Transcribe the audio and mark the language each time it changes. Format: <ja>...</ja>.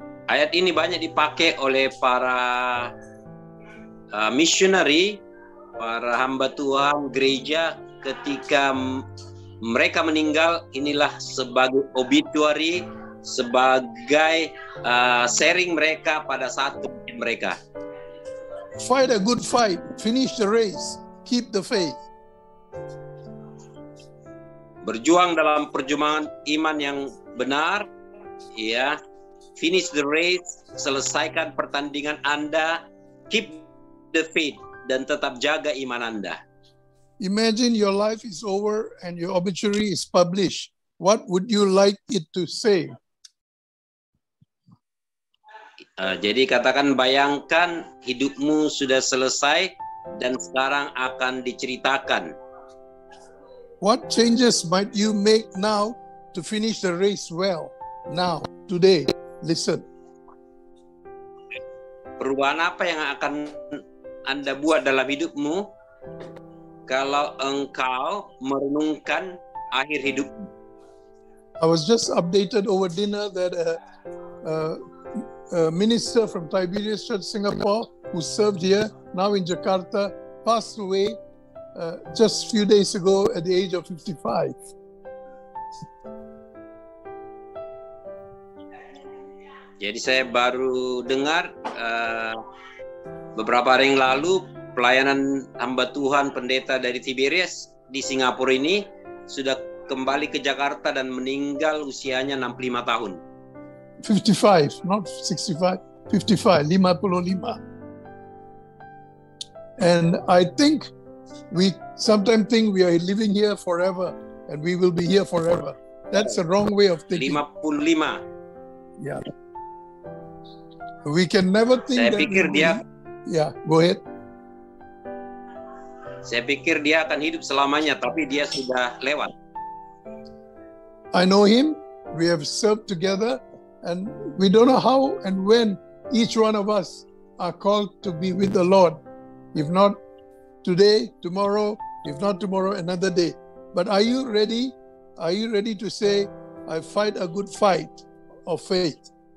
<id>Ayat ini banyak dipakai oleh para missionary, para hamba Tuhan, gereja, ketika mereka meninggal, inilah sebagai obituary, sebagai sharing mereka pada saat kematian mereka.</id> <en>Fight a good fight, finish the race, keep the faith.</en> <id>Berjuang dalam perjuangan iman yang benar, ya.</id> <en>Finish the race,</en> <id>selesaikan pertandingan Anda,</id> <en>keep the faith,</en> <id>dan tetap jaga iman Anda.</id> <en>Imagine your life is over and your obituary is published. What would you like it to say?</en> <id>Jadi katakan, bayangkan hidupmu sudah selesai dan sekarang akan diceritakan.</id> <en>What changes might you make now to finish the race well, now, today? Listen.</en> <id>Perubahan apa yang akan Anda buat dalam hidupmu kalau engkau merenungkan akhir hidupmu?</id> <en>I was just updated over dinner that a minister from Tiberias Church Singapore who served here now in Jakarta passed away just a few days ago at the age of 55.</en> <id>Jadi saya baru dengar beberapa hari yang lalu pelayanan hamba Tuhan pendeta dari Tiberias di Singapura ini sudah kembali ke Jakarta dan meninggal usianya 65 tahun.</id> <en>55, not 65, 55, 55. And I think we sometimes think we are living here forever and we will be here forever. That's a wrong way of thinking. 55. Yeah. We can never think</en> <id>saya pikir</id> <en>that</en> <id>dia,</id> <en>yeah, go ahead.</en> <id>Saya pikir dia akan hidup selamanya, tapi dia sudah lewat.</id> <en>I know him. We have served together, and we don't know how and when each one of us are called to be with the Lord. If not today, tomorrow. If not tomorrow, another day. But are you ready? Are you ready to say, "I fight a good fight of faith"?</en>